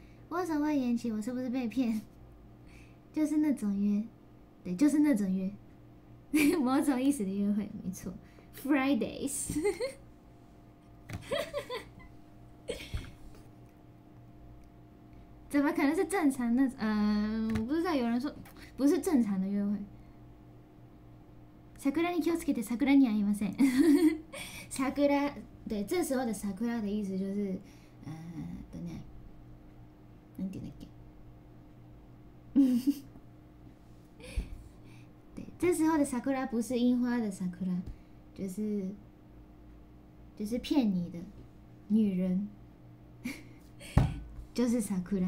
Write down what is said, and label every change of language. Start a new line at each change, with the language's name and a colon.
Chinese: 握手会延期，我是不是被骗？就是那种约，对，就是那种约，某种意思的约会，没错 ，Fridays。怎么可能是正常的？我不知道，有人说不是正常的约会。
Japanese: 桜に気をつけて、桜に会いません。
Chinese: 桜，对，这时候的桜的意思就是，等等，なんていうんだっけ？对，这时候的桜不是樱花的桜，就是骗你的女人，就是桜。